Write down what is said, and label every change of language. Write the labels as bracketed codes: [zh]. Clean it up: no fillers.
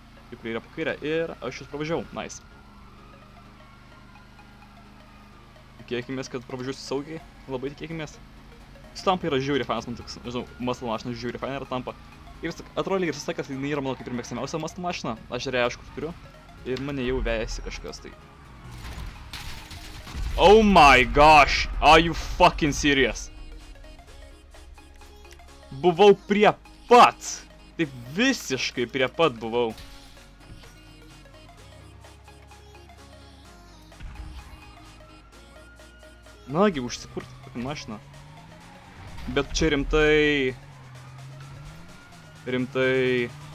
[lt] Tie, kurie yra po kairę ir aš juos pravažiavau. [en] Nice. [lt] Tikėkimės, kad pravažiuosiu saugiai. Labai tikėkimės. Stampa yra žiauri fainas, man toks, nežinau, muscle mašina žiauri faina yra tampa. Ir vis tik, atrodo lyg ir susitakęs, kad jinai yra mano kaip ir mėgstamiausia muscle mašina. Aš realiai aišku turiu. Ir mane jau vejasi kažkas tai. [en] Oh my gosh, are you fucking serious? [lt] Buvau prie pat. Taip visiškai prie pat buvau. Nagi, užsikurti tokią mašiną. Bet čia rimtai. Rimtai.